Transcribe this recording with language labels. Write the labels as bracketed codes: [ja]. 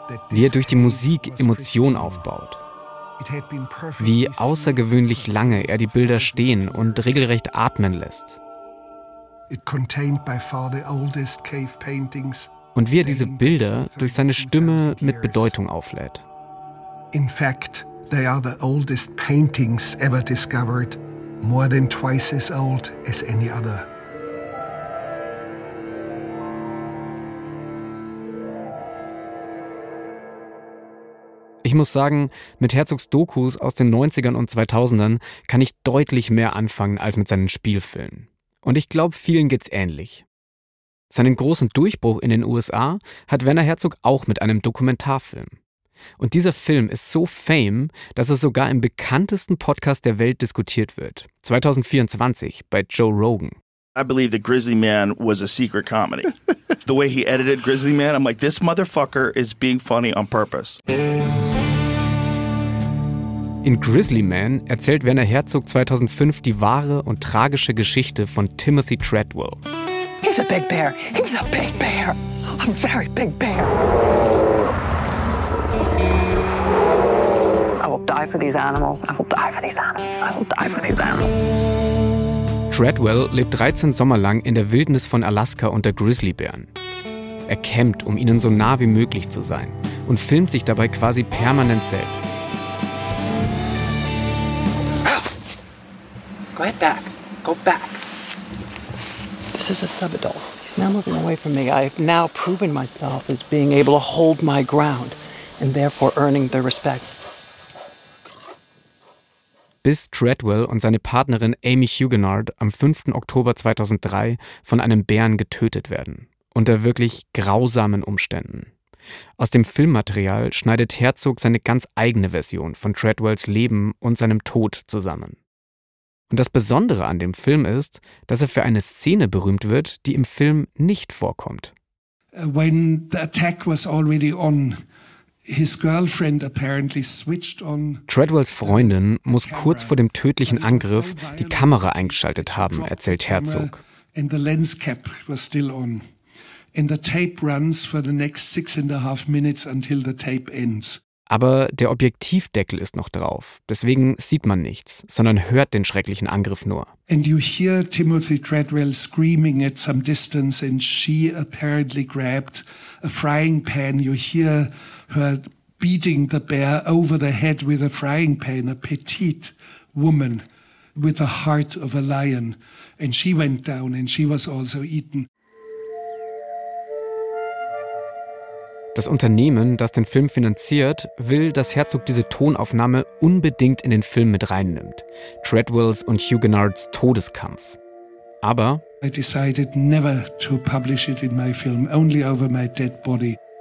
[de] Wie er durch die Musik Emotionen aufbaut. Wie außergewöhnlich lange er die Bilder stehen und regelrecht atmen lässt. Und wie er diese Bilder durch seine Stimme mit Bedeutung auflädt. [en] In fact, they are the oldest paintings ever discovered, more than twice as old as any other. [de] Ich muss sagen, mit Herzogs Dokus aus den 90ern und 2000ern kann ich deutlich mehr anfangen als mit seinen Spielfilmen. Und ich glaube, vielen geht's ähnlich. Seinen großen Durchbruch in den USA hat Werner Herzog auch mit einem Dokumentarfilm. Und dieser Film ist so fame, dass er sogar im bekanntesten Podcast der Welt diskutiert wird. 2024 bei Joe Rogan. [en] I believe that Grizzly Man was a secret comedy. The way he edited Grizzly Man, I'm like, this motherfucker is being funny on purpose. [de] In Grizzly Man erzählt Werner Herzog 2005 die wahre und tragische Geschichte von Timothy Treadwell. [en] He's a big bear. He's a big bear. A very big bear. I will die for these animals. I will die for these animals. I will die for these animals. [de] Treadwell lebt 13 Sommer lang in der Wildnis von Alaska unter Grizzlybären. Er kämmt, um ihnen so nah wie möglich zu sein und filmt sich dabei quasi permanent selbst. [en] Go ahead, back. Go back. This is a sub-adult. He's now moving away from me. I have now proven myself as being able to hold my ground and therefore earning their respect. [de] Bis Treadwell und seine Partnerin Amy Huguenard am 5. Oktober 2003 von einem Bären getötet werden. Unter wirklich grausamen Umständen. Aus dem Filmmaterial schneidet Herzog seine ganz eigene Version von Treadwells Leben und seinem Tod zusammen. Und das Besondere an dem Film ist, dass er für eine Szene berühmt wird, die im Film nicht vorkommt. [en] when the attack was already on, his girlfriend apparently switched on. [de] Treadwells Freundin muss kurz vor dem tödlichen Angriff die Kamera eingeschaltet haben, erzählt Herzog. [en] And the lens cap was still on. And the tape runs for the next 6.5 minutes until the tape ends. [de] Aber der Objektivdeckel ist noch drauf. Deswegen sieht man nichts, sondern hört den schrecklichen Angriff nur. [en] And you hear Timothy Treadwell screaming at some distance and she apparently grabbed a frying pan. You hear her beating the bear over the head with a frying pan, a petite woman with the heart of a lion. And she went down and she was also eaten. [de] Das Unternehmen, das den Film finanziert, will, dass Herzog diese Tonaufnahme unbedingt in den Film mit reinnimmt. Treadwells und Huguenards Todeskampf. Aber [en] I decided never to publish it in my film, only over my dead body.